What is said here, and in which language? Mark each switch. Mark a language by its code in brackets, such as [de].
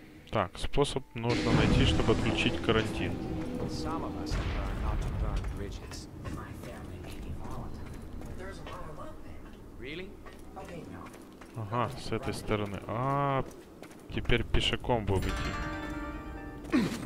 [ru] Так, способ нужно найти, чтобы отключить карантин. [en] Some of us have learned not to burn bridges. My family may be volatile, but there's a lot of love there. Really? Okay, no. [ru] Ага, с этой стороны. А, теперь пешком будем идти.